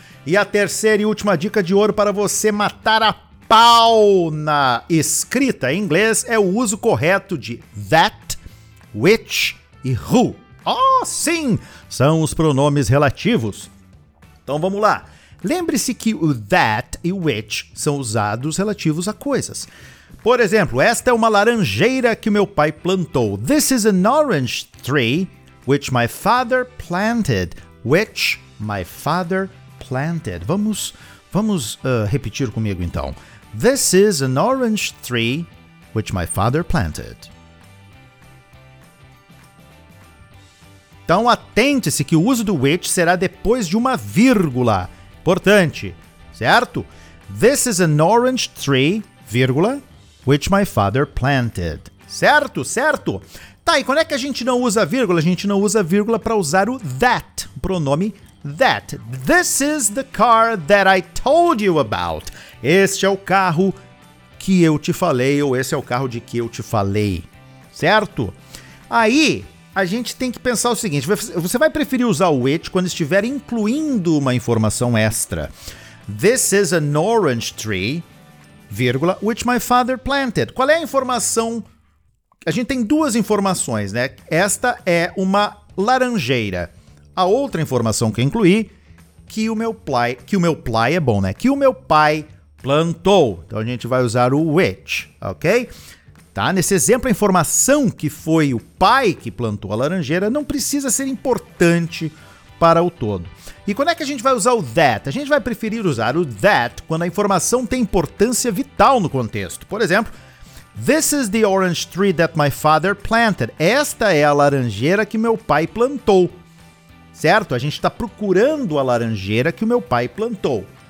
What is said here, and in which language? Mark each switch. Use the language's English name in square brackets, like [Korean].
[Portuguese] E a terceira e última dica de ouro para você matar a pau na escrita em inglês é o uso correto de that, which e who. Oh, sim! São os pronomes relativos. Então vamos lá. Lembre-se que o that e o which são usados relativos a coisas. Por exemplo, esta é uma laranjeira que meu pai plantou. [English] This is an orange tree which my father planted. Which my father planted. [Portuguese] Vamos repetir comigo então. [English] This is an orange tree which my father planted. [Portuguese] Então, atente-se que o uso do which será depois de uma vírgula. Importante, certo? [English] This is an orange tree, vírgula, which my father planted. [Portuguese] Certo, certo? Tá, e quando é que a gente não usa vírgula? A gente não usa vírgula para usar o that, o pronome that. [English] This is the car that I told you about. [Portuguese] Este é o carro que eu te falei, ou esse é o carro de que eu te falei. Certo? Aí a gente tem que pensar o seguinte, você vai preferir usar o which quando estiver incluindo uma informação extra. [English] This is an orange tree, vírgula, which my father planted. [Portuguese] Qual é a informação? A gente tem duas informações, né? Esta é uma laranjeira. A outra informação que eu incluí, que o meu pai plantou. Então a gente vai usar o which, ok? Tá? Nesse exemplo, a informação que foi o pai que plantou a laranjeira não precisa ser importante para o todo. E quando é que a gente vai usar o that? A gente vai preferir usar o that quando a informação tem importância vital no contexto. Por exemplo, [English] this is the orange tree that my father planted. [Portuguese] Esta é a laranjeira que meu pai plantou. Certo? A gente está procurando a laranjeira que o meu pai plantou.